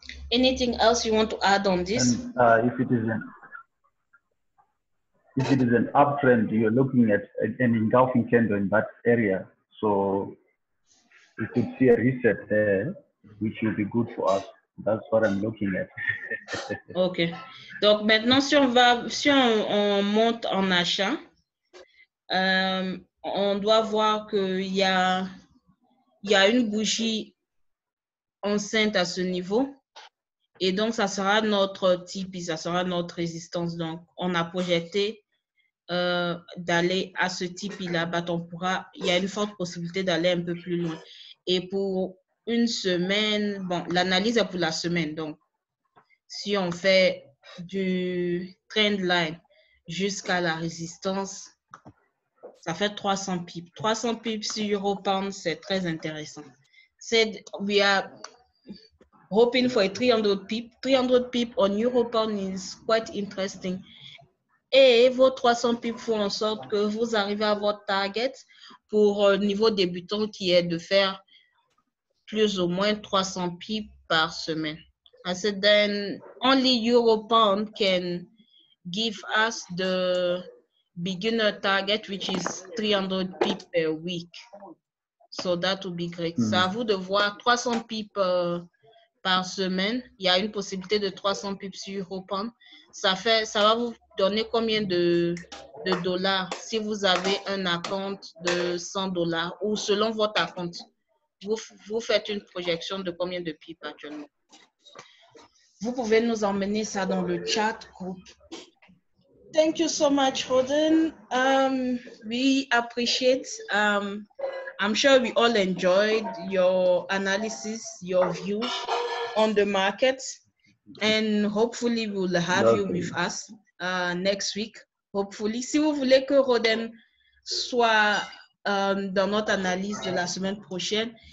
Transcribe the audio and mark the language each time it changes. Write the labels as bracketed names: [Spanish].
[English] Anything else you want to add on this? And, if it is an uptrend, you're looking at an engulfing candle in that area. So, you could see a reset there, which will be good for us. That's what I'm looking at. OK. [French] Donc maintenant, si on monte en achat, on doit voir qu'il y a une bougie enceinte à ce niveau. Et donc, ça sera notre Tipeee, ça sera notre résistance. Donc, on a projeté d'aller à ce Tipeee-là. Il y a une forte possibilité d'aller un peu plus loin. Et pour une semaine, bon, l'analyse est pour la semaine. Donc, si on fait du trend line jusqu'à la résistance, ça fait 300 pips. 300 pips sur Europound, c'est très intéressant. [English] We are hoping for a 300 pips. 300 pips on Europound is quite interesting. [French] Et vos 300 pips font en sorte que vous arrivez à votre target pour niveau débutant qui est de faire plus ou moins 300 pips par semaine. [English] I said then only Europound can give us the beginner target, which is 300 pips per week. So that would be great. Mm-hmm. [French] C'est à vous de voir 300 pips par semaine. Il y a une possibilité de 300 pips sur Europound. Ça va vous donner combien de dollars si vous avez un compte de 100 dollars ou selon votre compte. Vous faites une projection de combien de pips actuellement. Vous pouvez nous emmener ça dans le chat group. [English] Thank you so much, Roden. We appreciate. I'm sure we all enjoyed your analysis, your view on the market, and hopefully we'll have you with us next week. [French] Hopefully, si vous voulez que Roden soit dans notre analyse de la semaine prochaine.